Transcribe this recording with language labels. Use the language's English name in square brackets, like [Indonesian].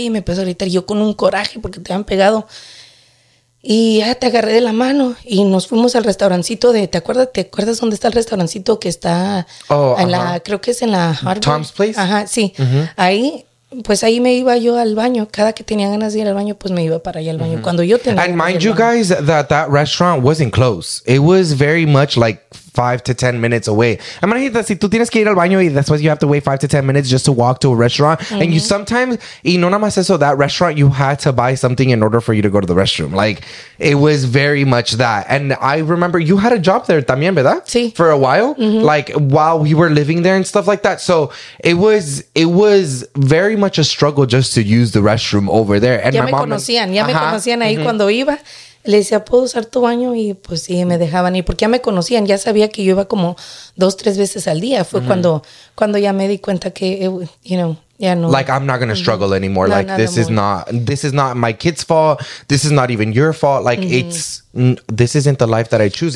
[Spanish] Y me empezó a gritar yo con un coraje porque te habían pegado. Y ya te agarré de la mano y nos fuimos al restaurancito de... ¿Te acuerdas dónde está el restaurancito que está? Creo que es en la Harvard. Tom's Place. Ajá, sí. Uh-huh. Ahí me iba yo al baño. Cada que tenía ganas de ir al baño, pues me iba para allá al baño. Uh-huh. Cuando yo tenía... [English] And mind you guys, that restaurant wasn't close. It was very much like 5 to 10 minutes away. [Spanish] Imagínate, si tú tienes que ir al baño y después [English] you have to wait 5 to 10 minutes just to walk to a restaurant. Mm-hmm. And you sometimes, [Spanish] y no nada más eso, [English] that restaurant, you had to buy something in order for you to go to the restroom. Like, it was very much that. And I remember you had a job there [Spanish] también, ¿verdad? Sí. [English] For a while. Mm-hmm. Like, while we were living there and stuff like that. So, it was very much a struggle just to use the restroom over there. And [Spanish] ya me conocían ahí, uh-huh, cuando iba. Le decía, ¿puedo usar tu baño? Y pues sí, me dejaban ir. Porque ya me conocían. Ya sabía que yo iba como 2-3 veces al día. Fue cuando ya me di cuenta que, [English] you know, [Spanish] ya no. [English] Like, I'm not going to struggle anymore. No, like, this is not my kid's fault. This is not even your fault. Like, this isn't the life that I choose.